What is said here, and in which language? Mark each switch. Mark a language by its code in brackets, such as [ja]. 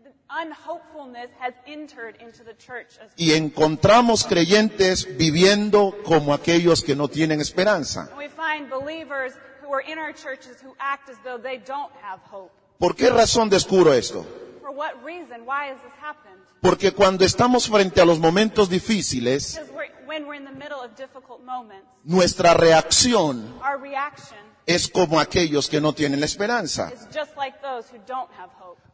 [en] Unhopefulness has entered into the church as well. [es] Y encontramos creyentes viviendo como aquellos que no tienen esperanza. [en] We find believers who are in our churches who act as though they don't have hope. [es] ¿Por qué razón descubro esto? [en] For what reason? Why has this happened? [es] Porque cuando estamos frente a los momentos difíciles, [en] when we're in the middle of difficult moments, [es] nuestra reacción, [en] our reaction, [es] es como aquellos que no tienen la esperanza. [en] Is just like those who don't have hope.